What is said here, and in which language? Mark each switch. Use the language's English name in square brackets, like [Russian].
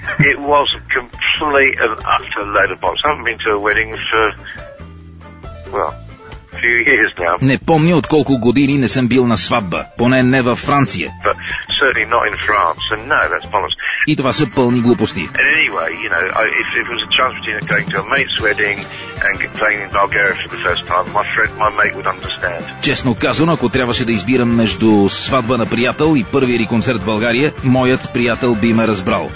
[English] It was a complete and utter load of bollocks. I haven't been to a wedding for, well, few years now. [Bulgarian] Не помня от колко години не съм бил на сватба, поне не във Франция. [English] But certainly not in France, and no, that's bollocks. [Bulgarian] И това са пълни глупости. [English] Anyway, you know, if it was a chance between going to a mate's wedding and playing in Bulgaria for the first time, my friend, my mate would understand. [Bulgarian] Честно казано, ако трябваше да избирам между сватба на приятел и първия ли концерт в България, моят приятел би ме разбрал.